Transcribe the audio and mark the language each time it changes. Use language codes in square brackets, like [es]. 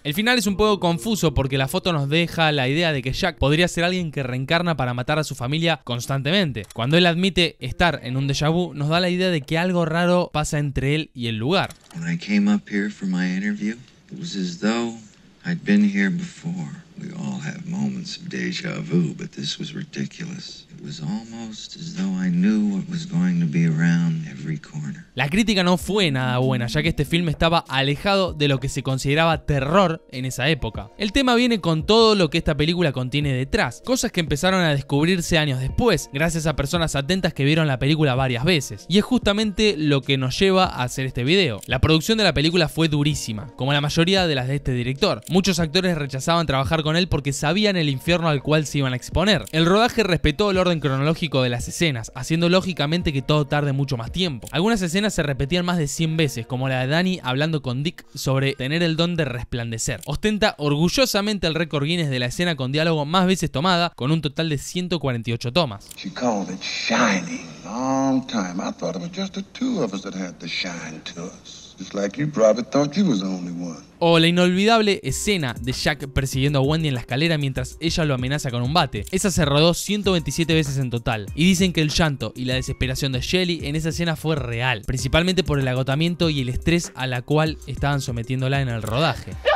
[es] El final es un poco confuso porque la foto nos deja la idea de que Jack podría ser alguien que reencarna para matar a su familia constantemente. Cuando él admite estar en un déjà vu, nos da la idea de que algo raro pasa entre él y el lugar. Cuando vine aquí para mi entrevista, fue como si... [en] I'd been here before. We all have moments of déjà vu, but this was ridiculous. It was almost as though I knew what was going to be around every corner. [es] La crítica no fue nada buena, ya que este film estaba alejado de lo que se consideraba terror en esa época. El tema viene con todo lo que esta película contiene detrás, cosas que empezaron a descubrirse años después, gracias a personas atentas que vieron la película varias veces. Y es justamente lo que nos lleva a hacer este video. La producción de la película fue durísima, como la mayoría de las de este director. Muchos actores rechazaban trabajar con él porque sabían el infierno al cual se iban a exponer. El rodaje respetó el orden cronológico de las escenas, haciendo lógicamente que todo tarde mucho más tiempo. Algunas escenas se repetían más de 100 veces, como la de Danny hablando con Dick sobre tener el don de resplandecer. Ostenta orgullosamente el récord Guinness de la escena con diálogo más veces tomada, con un total de 148 tomas. [en] She called it shining. Long time. I thought it was just the two of us that had the shine to us. Just like you probably thought you was the only one. [es] O la inolvidable escena de Jack persiguiendo a Wendy en la escalera mientras ella lo amenaza con un bate. Esa se rodó 127 veces en total. Y dicen que el llanto y la desesperación de Shelley en esa escena fue real, principalmente por el agotamiento y el estrés a la cual estaban sometiéndola en el rodaje.